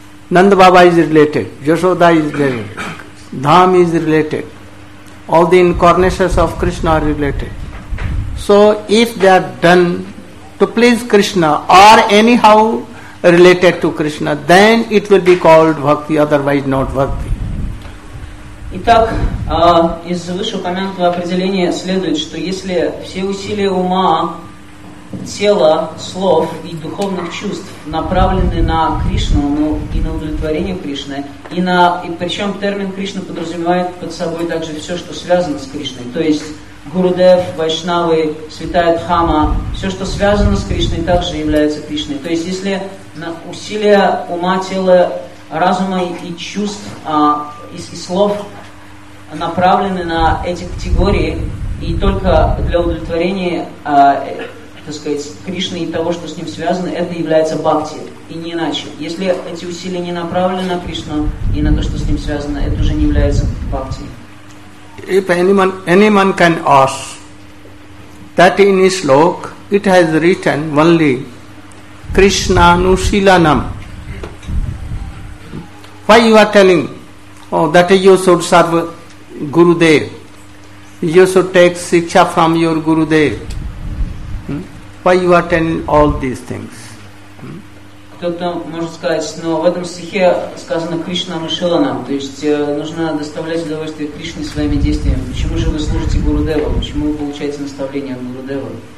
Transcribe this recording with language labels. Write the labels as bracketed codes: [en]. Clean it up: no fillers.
[en] Nanda Baba is related, Yashoda is related, Dham is related, all the incarnations of Krishna are related. So if they are done to please Krishna or anyhow related to Krishna, then it will be called bhakti, otherwise not bhakti. [ru] Итак, из вышеупомянутого определения следует, что если все усилия ума, тело, слов и духовных чувств направлены на Кришну, ну, и на удовлетворение Кришны, и причем термин Кришна подразумевает под собой также все, что связано с Кришной, то есть Гурудев, Вайшнавы, Святая Дхама, все, что связано с Кришной, также является Кришной. То есть если усилия ума, тела, разума и чувств, и слов направлены на эти категории, и только для удовлетворения так сказать, Кришны и того, что с ним связано, это является бхакти, и не иначе. Если эти усилия не направлены на Кришну и на то, что с ним связано, это уже не является бхакти. [en] If anyone can ask that in his shlok, it has written only Krishna Nusilanam. Why you are telling that you should serve Gurudev? You should take siksha from your Gurudev? Why you are telling all these things? [ru] Кто-то может сказать, но в этом стихе сказано Кришна внушила нам, то есть нужно доставлять удовольствие Кришне своими действиями. Почему же вы служите Гурудеву? Почему вы получаете наставление от Гурудева?